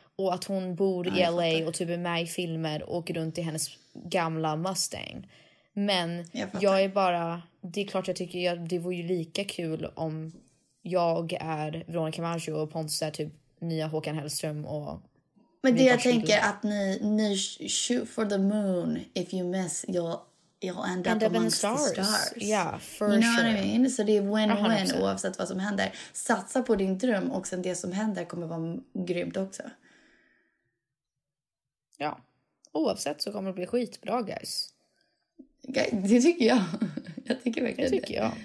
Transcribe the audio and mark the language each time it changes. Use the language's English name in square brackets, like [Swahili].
[Swedish] Och att hon bor i LA och typ är med i filmer och åker runt i hennes gamla Mustang. Men jag är bara, det är klart jag tycker jag, det vore ju lika kul om jag är Veronica Maggio och Pontus är typ nya Håkan Hellström och... Men det jag tänker att ni [English] shoot for the moon. If you miss, you'll end up amongst the stars. Yeah, for sure. You know what I mean? [Swedish] Så det är win-win oavsett vad som händer. Satsa på din dröm och sen det som händer kommer vara grymt också. Ja, oavsett så kommer det bli skitbra, guys. Det tycker jag. Jag tycker verkligen det. Det tycker jag.